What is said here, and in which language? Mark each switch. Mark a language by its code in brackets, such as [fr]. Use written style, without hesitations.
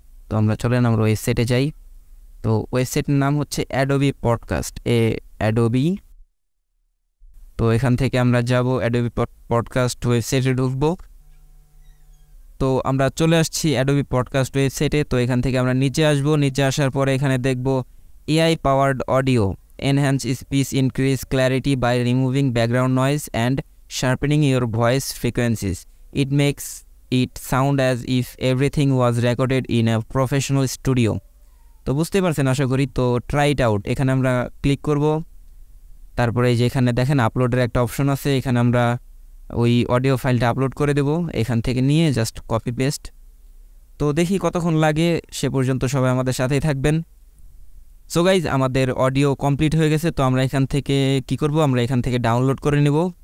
[bn] তো আমরা চলেন আমরা ওয়েবসাইটে যাই। তো ওয়েবসাইটের নাম হচ্ছে অ্যাডোবি পডকাস্ট, এ অ্যাডোবি। তো এখান থেকে আমরা যাব অ্যাডোবি পডকাস্ট ওয়েবসাইটে ঢুকব। তো আমরা চলে আসছি অ্যাডোবি পডকাস্ট ওয়েবসাইটে। তো এখান থেকে আমরা নিচে আসব, নিচে আসার পরে এখানে দেখব [en] AI powered audio, enhance speech, increase clarity by removing background noise and sharpening your voice frequencies. It makes it sound as if everything was recorded in a professional studio. [bn] তো বুঝতে পারছেন আশা করি, তো [en] try it out, [bn] এখানে আমরা click করব। তারপরে যেখানে দেখেন আপলোডের একটা অপশন আছে, এখানে আমরা ওই অডিও ফাইলটা আপলোড করে দেব, এখান থেকে নিয়ে জাস্ট কপি পেস্ট। তো দেখি কতক্ষণ লাগে, সে পর্যন্ত সবাই আমাদের সাথেই থাকবেন। [en] so guys, [bn] আমাদের অডিও কমপ্লিট হয়ে গেছে, তো আমরা এখান থেকে কী করব, আমরা এখান থেকে ডাউনলোড করে নেব।